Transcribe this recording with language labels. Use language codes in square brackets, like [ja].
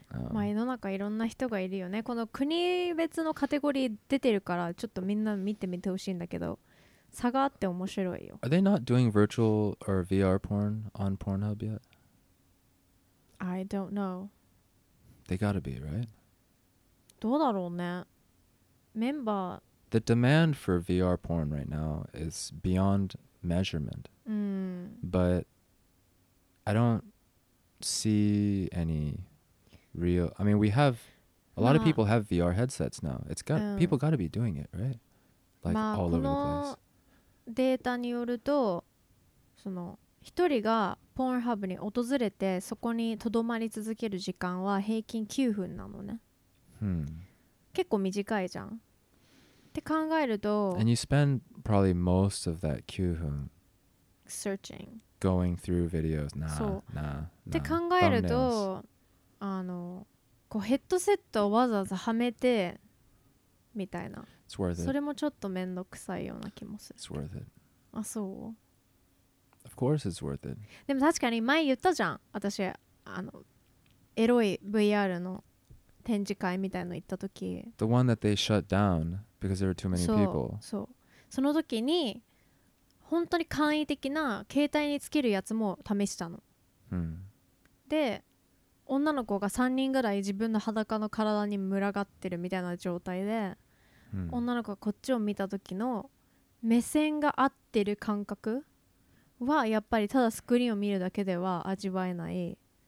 [ja] まあ、世の中いろんな人がいるよね。この国別のカテゴリー出てるからちょっとみんな見てみてほしいんだけど、差があって面白いよ。 [en] Are they not doing virtual or VR porn on Pornhub yet? I don't know. They gotta be, right? [ja] どうだろうね。メンバー [en] The demand for VR porn right now is beyond measurement. But I don't see any... Real, I mean, we have a lot of people have VR headsets now. It's got people got to be doing it, right? Like all over the place. [ja] このデータによると、その一人がポーンハブに訪れてそこに留まり続ける時間は平均9分なのね。結構短いじゃん。って考えると、 [en] And you spend probably most of that [ja] 9分 [en] searching, going through videos. Nah. [ja] って考えると。あのこうヘッドセットをわざわざはめてみたいな、それもちょっとめんどくさいような気もする。 [en] It's worth it. [ja] あ、そう。 [en] Of course it's worth it. [ja] でも確かに前言ったじゃん、私あのエロい VR の展示会みたいの行った時、 [en] The one that they shut down because there were too many people. [ja] そう。その時に本当に簡易的な携帯につけるやつも試したの。で女の子が3人ぐらい自分の裸の体に群がってるみたいな状態で、うん、女の子がこっちを見た時の目線が合ってる感覚はやっぱりただスクリーンを見るだけでは味わえない。